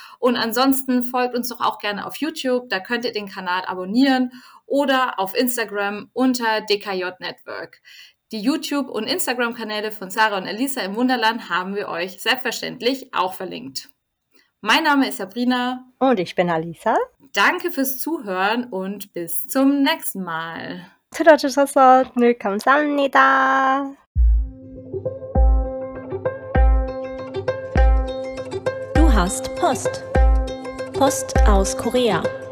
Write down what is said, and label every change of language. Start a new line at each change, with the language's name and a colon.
German: Und ansonsten folgt uns doch auch gerne auf YouTube. Da könnt ihr den Kanal abonnieren oder auf Instagram unter DKJ Network. Die YouTube- und Instagram-Kanäle von Sarah und Alisa im Wunderland haben wir euch selbstverständlich auch verlinkt. Mein Name ist Sabrina. Und ich bin Alisa. Danke fürs Zuhören und bis zum nächsten Mal.
Korean: 들어주셔서 늘 감사합니다.
German: Du hast Post. Post aus Korea.